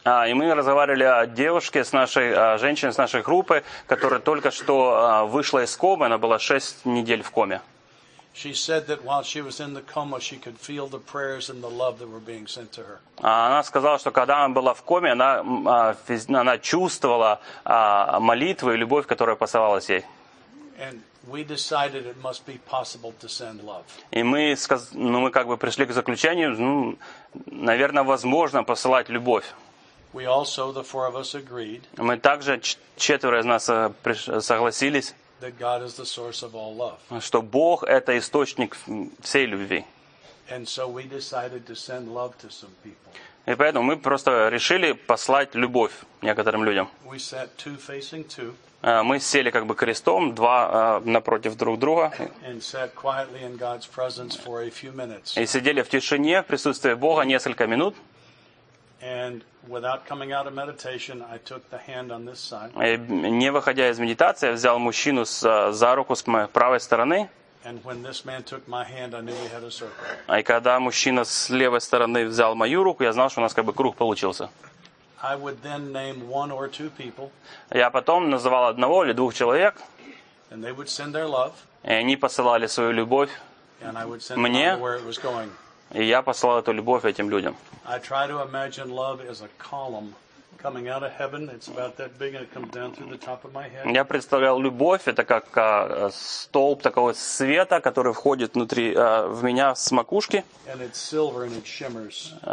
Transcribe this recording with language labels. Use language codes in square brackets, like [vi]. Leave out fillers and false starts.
[ru] И мы разговаривали о девушке с нашей женщине с нашей группы, которая только что вышла из комы, она была 6 недель в коме. [en] She said that while she was in the coma, she could feel the prayers and the love that were being sent to her. [ru] Она сказала, что когда она была в коме, она чувствовала молитву и любовь, которая посылалась ей. [en] And we decided it must be possible to send love. [ru] И мы как бы пришли к заключению, ну, наверное, возможно посылать любовь. [en] We also, the four of us agreed. [ru] Мы также четверо из нас согласились. [en] That God is the source of all love. [ru] Что Бог это источник всей любви. [en] And so we decided to send love to some people. [ru] И поэтому мы просто решили послать любовь некоторым людям. [en] We sat two facing two. [ru] Мы сели как бы крестом, два напротив друг друга. [en] And sat quietly in God's presence for a few minutes. [ru] И сидели в тишине в присутствии Бога несколько минут. [en] And without coming out of meditation, I took the hand on this side. [ru] И не выходя из медитации, я взял мужчину за руку с моей правой стороны. [en] And when this man took my hand, I knew we had a circle. [ru] И когда мужчина с левой стороны взял мою руку, я знал, что у нас как бы круг получился. [en] I would then name one or two people. [ru] Я потом называл одного или двух человек. [en] And they would send their love. [ru] И они посылали свою любовь мне. [en] And I would send them love where it was going. [ru] И я посылал эту любовь этим людям. [en] I try to imagine love as a column coming out of heaven. It's about that big and it comes down through the top of my head. [ru] Я представлял любовь это как столб такого света, который входит внутри в меня с макушки. [en] And it's silver and it shimmers.